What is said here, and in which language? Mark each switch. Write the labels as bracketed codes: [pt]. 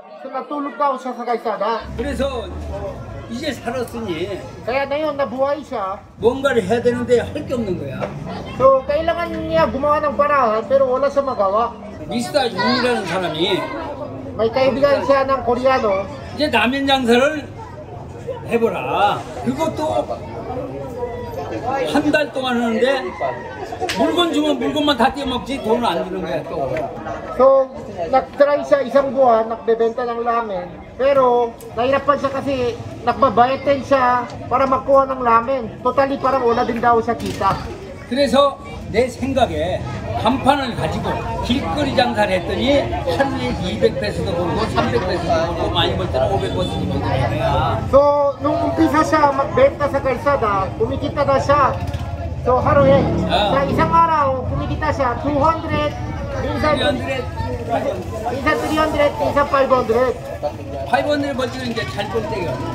[tl] So, natulog daw siya sa kalsada. [ko] 그래서 이제 살았으니 [tl] kaya na yun, nabuhay siya. [ko] 뭔가를 해야 되는데 할 게 없는 거야. [tl] So, kailangan niya gumawa ng paraan pero wala siya magawa. [ko] 미스터 윤이라는 사람이 [tl] may kaibigan siya ng Koreano. [ko] 이제 남인 장사를 해보라. 그것도 한 달 동안 하는데 물건 주면 물건만 다 떼먹지 돈은 안 주는 거야 또. [tl] So, nag-try siya isang buwan, nagbebenta ng ramen. Pero, nahirapan siya kasi nagbabayatin siya para makuha ng ramen. Totally, parang wala din daw siya kita. [ko] 그래서, 내 생각에 간판을 가지고 길거리 장사를 했더니 하루에 200배수도 벌고 300배수도 벌고 많이 벌 때는 500배수도 벌고 그래야. [tl] So, nung umpisa siya, magbenta sa kalsada, kumikita na siya. So, haruhin. Sa isang araw, kumikita siya, 200, minsan 300. Minsan 300, minsan 500. [ko] 500 벌지는 이제 잘 볼 때가.